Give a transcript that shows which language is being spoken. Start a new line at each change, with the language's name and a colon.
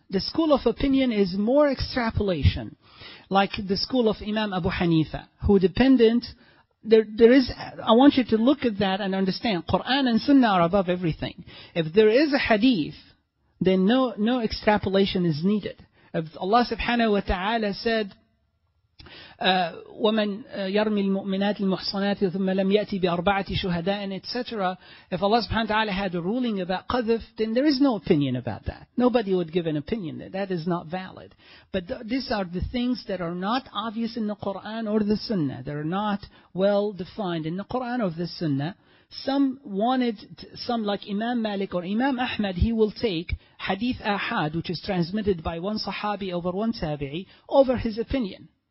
English: The school of opinion is more extrapolation. Like the school of Imam Abu Hanifa, who dependent, there is, I want you to look at that and understand, Quran and Sunnah are above everything. If there is a hadith, then no extrapolation is needed.
Arabic: Allah subhanahu wa ta'ala said, وَمَنْ يَرْمِي الْمُؤْمِنَاتِ الْمُحْصَنَاتِ ثُمَّ لَمْ يَأْتِ بِأَرْبَعَةِ شُهَدَاءٍ etc.
English: If Allah subhanahu wa ta'ala had a ruling about qadhif, then there is no opinion about that. Nobody would give an opinion. That is not valid. But these are the things that are not obvious in the Qur'an or the Sunnah. They are not well defined in the Qur'an or the Sunnah. Some wanted, some like Imam Malik or Imam Ahmad, he will take Hadith Ahad, which is transmitted by one Sahabi over one Tabi'i, over his opinion.